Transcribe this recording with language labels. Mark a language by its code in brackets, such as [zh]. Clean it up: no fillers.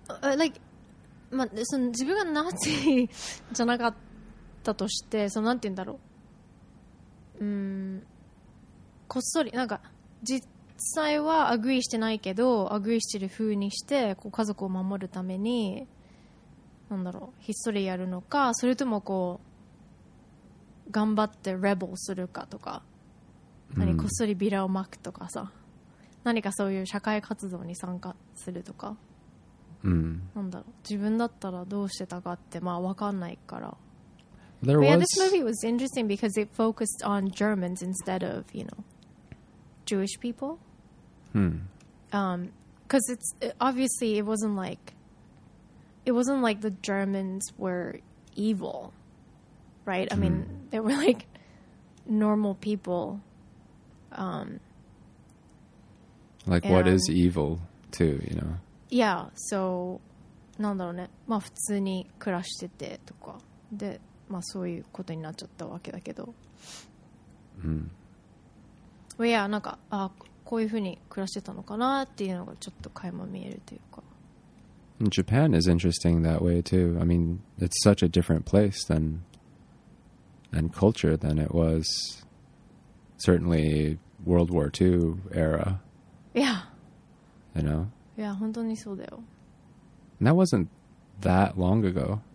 [ja] Like, まあ、その自分がナチじゃなかったとして、そのなんて言うんだろう、こっそりなんか実際はアグリーしてないけど、アグリーしてる風にしてこう家族を守るために、なんだろう、ひっそりやるのか、それともこう頑張ってレボーするかとか、何こっそりビラをまくとかさ、何かそういう社会活動に参加するとか、なんだろう、自分だったらどうしてたかって、まあ、わかんないから。 [en] There was... yeah, this movie was interesting because it focused on Germans instead of, you know, Jewish people. Because it's obviously it wasn't like the Germans were evil, right? I mean, they were like normal people. Like, what is evil, too, you know? Yeah, so, [ja] なんだろうね。まあ、普通に暮らしててとか。で、まあ、そういうことになっちゃったわけだけど。 [en] Well, yeah, [ja] なんか、あ、こういうふうに暮らしてたのかなっていうのがちょっと垣間見えるというか。 [en] Japan is interesting that way, too. I mean, it's such a different place than, and culture than it was, certainly, World War II era. Yeah. You know? [ja] Yeah, 本当にそうだよ。 [en] And that wasn't that long ago.